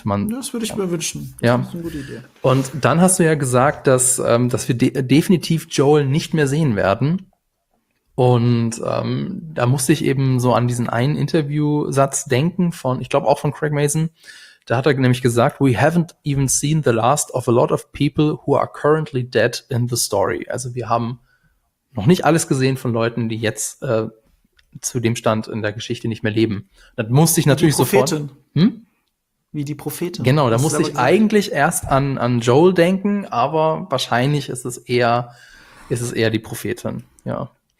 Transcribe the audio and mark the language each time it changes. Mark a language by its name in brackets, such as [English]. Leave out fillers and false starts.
[German] Das würde ich mir wünschen. Das ja. ist eine gute Idee. Und dann hast du ja gesagt, dass wir definitiv Joel nicht mehr sehen werden. Und da musste ich eben so an diesen einen Interviewsatz denken von, ich glaube auch von Craig Mazin. Da hat er nämlich gesagt, [English] we haven't even seen the last of a lot of people who are currently dead in the story. [German] Also wir haben noch nicht alles gesehen von Leuten, die jetzt zu dem Stand in der Geschichte nicht mehr leben. Das musste ich Wie die natürlich sofort. Prophetin. Wie die Prophetin. Genau, da musste ich eigentlich erst an Joel denken, aber wahrscheinlich ist es eher die Prophetin, ja.